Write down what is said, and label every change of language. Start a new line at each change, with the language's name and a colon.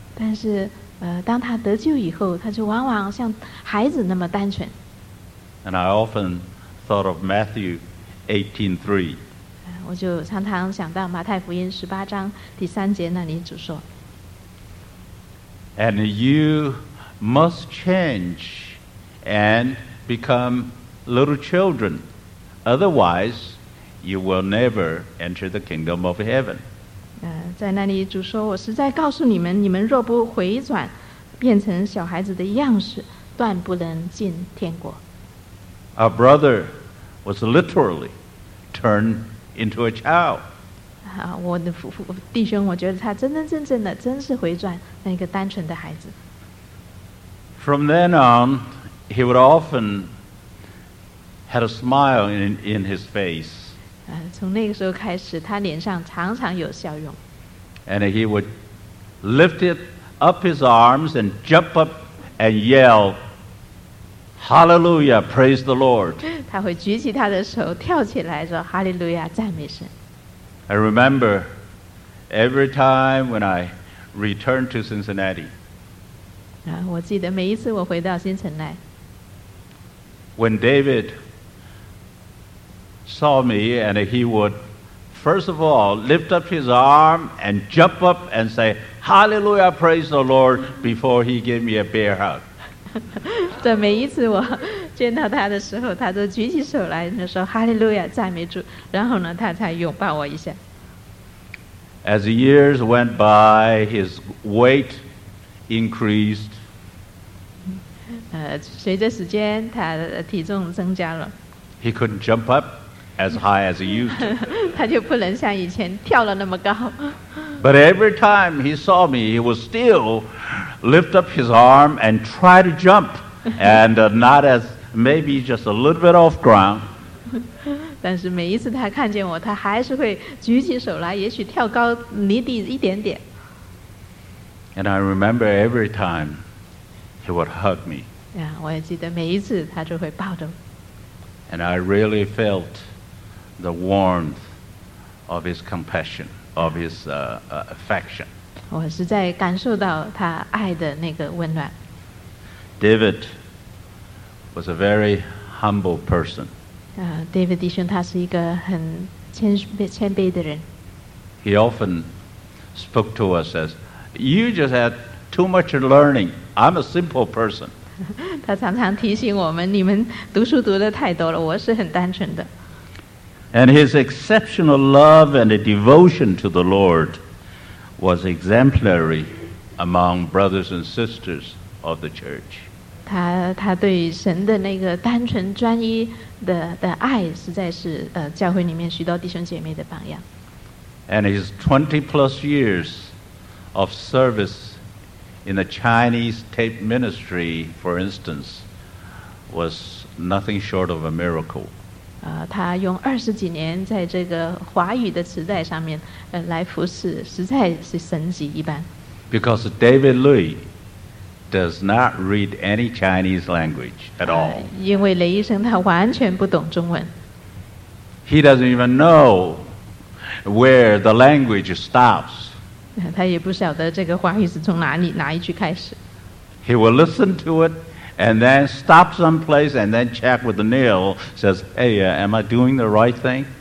Chinese: 但是当他得救以后，他就往往像孩子那么单纯。
English: And I often thought of Matthew 18:3.
Chinese: 我就常常想到马太福音十八章第三节那里主说。
English: And you must change and become little children, otherwise you will never enter the kingdom of heaven.
Chinese: 在那里主说，我实在告诉你们，你们若不回转，变成小孩子的样式，断不能进天国。
English: Our brother was literally. Turned into a child.
Chinese: 我的弟兄，我觉得他真真正正的，真是回转那个单纯的孩子。
English: From then on, he would often had a smile in his face.
Chinese: 从那个时候开始，他脸上常常有笑容。
English: And he would lift up his arms and jump up and yell. Hallelujah, praise the Lord.
Chinese: 他会举起他的手跳起来说 Hallelujah, 赞美神。
English: I remember every time when I returned to Cincinnati.
Chinese: 我记得每一次我回到新城来。
English: When David saw me and he would first of all lift up his arm and jump up and say Hallelujah, praise the Lord before he gave me a bear hug.
Chinese: 在每一次我见到他的时候，他都举起手来，那说哈利路亚赞美主，然后呢，他才拥抱我一下。
English: As years went by, his weight increased.
Chinese: 随着时间，他的体重增加了。
English: He couldn't jump up as high as he used to.
Chinese: 他就不能像以前跳了那么高。
English: But every time he saw me, he was still. Lift up his arm and try to jump, and not as maybe just a little bit off ground.
Chinese: 但是每一次他看见我，他还是会举起手来，也许跳高离地一点点。
English: And I remember every time he would hug me.
Chinese: 我也记得每一次他就会抱着我。
English: And I really felt the warmth of his compassion, of his affection.
Chinese: 我实在感受到他爱的那个温暖。
English: David was a very humble person.
Chinese: David 弟兄他是一个很谦卑的人。
English: He often spoke to us as, "You just had too much learning. I'm a simple person."
Chinese: 他常常提醒我们，你们读书读得太多了，我是很单纯的。
English: And his exceptional love and devotion to the Lord. Was exemplary among brothers and sisters of the church.
Chinese: 他对神的那个单纯专一的爱，实在是教会里面许多弟兄姐妹的榜样。
English: And his 20 plus years of service in the Chinese tape ministry, for instance, was nothing short of a miracle.
Chinese: 他用二十几年在这个华语的磁带上面来服侍，实在是神迹一般。
English: Because David Lui does not read any Chinese language at all.
Chinese: 因为雷医生他完全不懂中文。
English: He doesn't even know where the language stops.
Chinese: 他也不晓得这个华语是从哪一句开始。
English: He will listen to it. And then stop someplace and then check with the nail, says, hey, am I doing the right thing?